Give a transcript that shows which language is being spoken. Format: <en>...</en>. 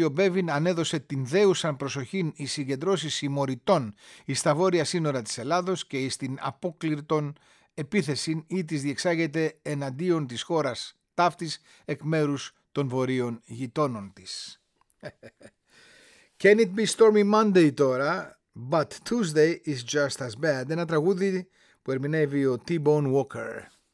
<el>Μπέβιν αν έδωσε την δέουσαν προσοχήν οι συγκεντρώσεις συμμοριτών εις τα βόρεια σύνορα της Ελλάδος και εις την απόκληρτον επίθεση ή της διεξάγεται εναντίον της χώρας ταύτης εκ μέρους των βορείων γειτόνων της.</el> <en>Can it be stormy Monday τώρα, but Tuesday is just as bad.</en> <el>Ένα τραγούδι που ερμηνεύει ο T-Bone Walker.</el>